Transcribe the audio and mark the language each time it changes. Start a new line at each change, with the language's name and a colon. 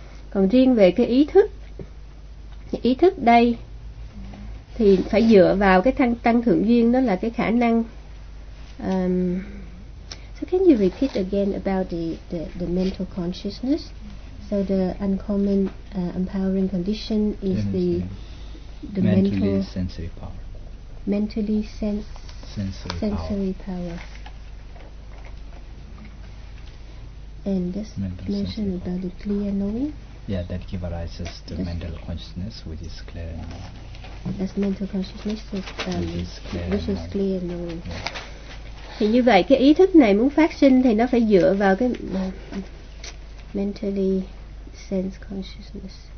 Vietnamese: Còn riêng về cái ý thức đây thì phải dựa vào cái tăng thượng duyên, đó là cái khả năng.
English: So can you repeat again about the mental consciousness? So the uncommon empowering condition is the mentally sensory power. Mentally sensory power. And this mention about the clear knowing. Yeah, that gives rise to the mental consciousness, which is clear knowing. That's mental consciousness, which is clear knowing. Yeah.
Vietnamese: Thì như vậy cái ý thức này muốn phát sinh thì nó phải dựa vào cái
English: mentally sense consciousness.